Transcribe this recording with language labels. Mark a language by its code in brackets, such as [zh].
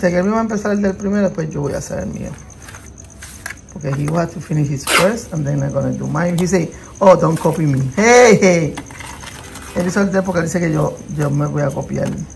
[es] Kelvin va a empezar el del primero, pues yo voy a hacer el mío. Porque [en] he wants to finish his first and then I'm gonna do mine. He say, oh, don't copy me. Hey. [es] Él hizo el de porque él dice que yo me voy a copiar.